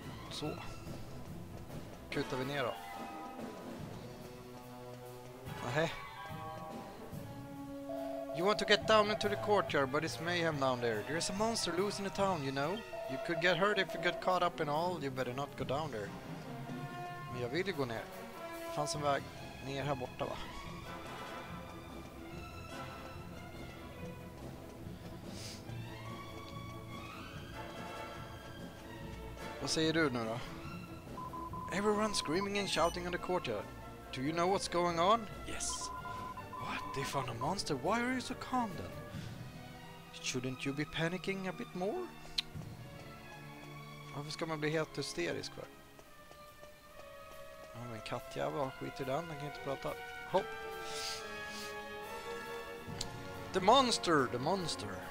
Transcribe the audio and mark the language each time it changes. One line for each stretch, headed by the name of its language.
Swedish: Så. Kutar vi ner då. Ahe.
English: You want to get down into the courtyard, but it's mayhem down there. There's a monster loose in the town, you know? You could get hurt if you get caught up in all. You better not go down there.
Swedish: Men jag vill ju gå ner. Fanns en väg ner här borta, va? Vad säger du nu då?
English: Everyone screaming and shouting in the courtyard. Do you know what's going on? Yes. What? They found a monster? Why are you so calm then? Shouldn't you be panicking a bit more?
Swedish: Varför ska man bli helt hysterisk för? Ja, men kattjävel, skit i den, den kan inte prata. Hopp!
English: The monster, the monster!